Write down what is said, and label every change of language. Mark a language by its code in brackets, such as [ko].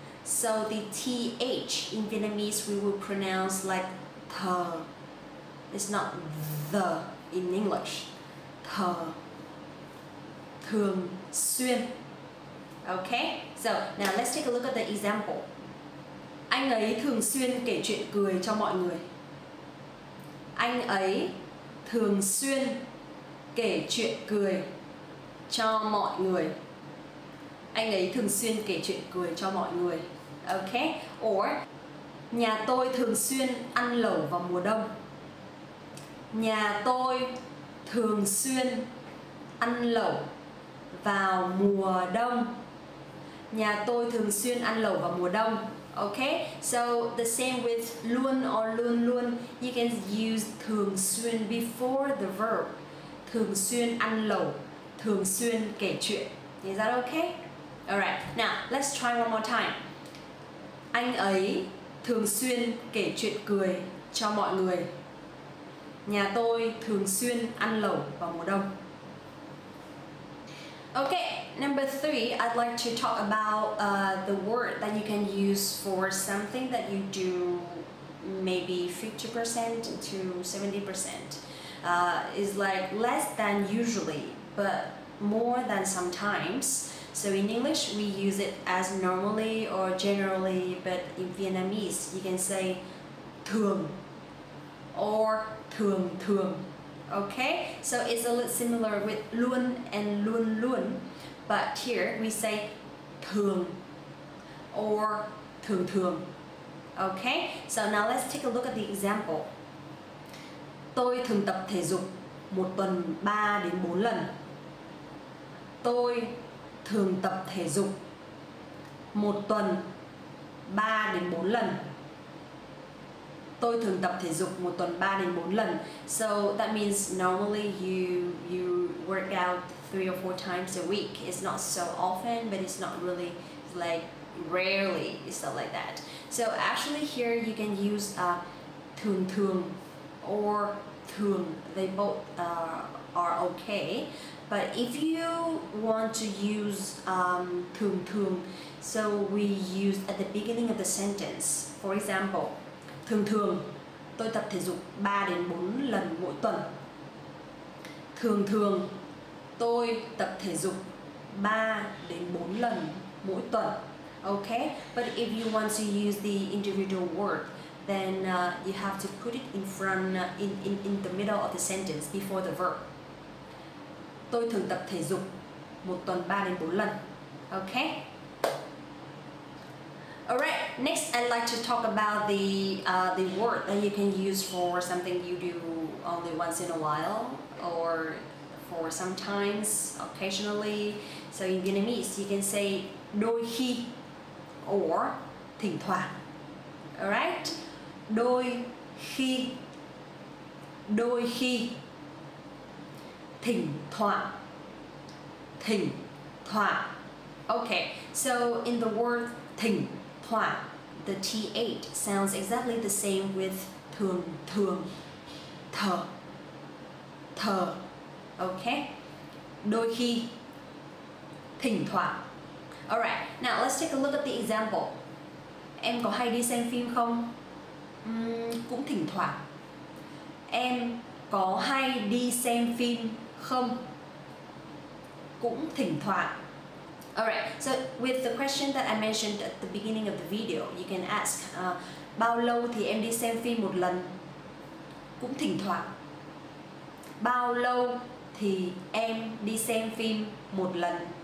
[en] So the TH in Vietnamese we will pronounce like th. It's not the in English. Th. Thường xuyên. Okay, so now let's take a look at the example. [vi] Anh ấy thường xuyên kể chuyện cười cho mọi người. Anh ấy thường xuyên kể chuyện cười cho mọi người. Anh ấy thường xuyên kể chuyện cười cho mọi người. Okay, or nhà tôi thường xuyên ăn lẩu vào mùa đông. Nhà tôi thường xuyên ăn lẩu vào mùa đông. Nhà tôi thường xuyên ăn lẩu vào mùa đông. [en] Okay, so the same with luôn or luôn luôn, you can use thường xuyên before the verb. [vi] Thường xuyên ăn lẩu, thường xuyên kể chuyện. [en] Is that okay? Alright, now let's try one more time. [vi] Anh ấy thường xuyên kể chuyện cười cho mọi người. Nhà tôi thường xuyên ăn lẩu vào mùa đông. [en] Okay, number three, I'd like to talk about the word that you can use for something that you do maybe 50% to 70%. Is like less than usually, but more than sometimes. So in English, we use it as normally or generally, but in Vietnamese, you can say thường or thường thường. Okay, so it's a little similar with luôn and luôn luôn, but here we say thường or thường thường. Okay, so now let's take a look at the example. [vi] Tôi thường tập thể dục một tuần 3 đến 4 lần. Tôi thường tập thể dục một tuần 3 đến 4 lần. Tôi thường tập thể dục một tuần 3 đến 4 lần. [en] So that means normally you work out 3 or 4 times a week. It's not so often, but it's not really like rarely. It's not like that. So actually here you can use thường thường or thường. They both are okay. But if you want to use thường thường, so we use at the beginning of the sentence. For example, [vi] thường thường tôi tập thể dục 3 đến 4 lần mỗi tuần. Thường thường tôi tập thể dục 3 đến 4 lần mỗi tuần. [en] Okay, but if you want to use the individual word, then you have to put it in front in the middle of the sentence before the verb. [vi] Tôi thường tập thể dục một tuần 3 đến 4 lần. [en] Okay. All right, next I'd like to talk about the word that you can use for something you do only once in a while or for sometimes, occasionally. So in Vietnamese, you can say đôi khi or thỉnh thoảng. All right? [vi] Đôi khi. Đôi khi. Thỉnh thoảng. Thỉnh thoảng. [en] Okay. So in the word thỉnh thoảng, the th sounds exactly the same with thường thường. [vi] Thờ. Thờ. [en] Okay? [vi] Đôi khi. Thỉnh thoảng. [en] Alright, now let's take a look at the example. [vi] Em có hay đi xem phim không? Cũng thỉnh thoảng. Em có hay đi xem phim không? Cũng thỉnh thoảng. [en] Alright, so with the question that I mentioned at the beginning of the video, you can ask, [vi] bao lâu thì em đi xem phim một lần? Cũng thỉnh thoảng. Bao lâu thì em đi xem phim một lần?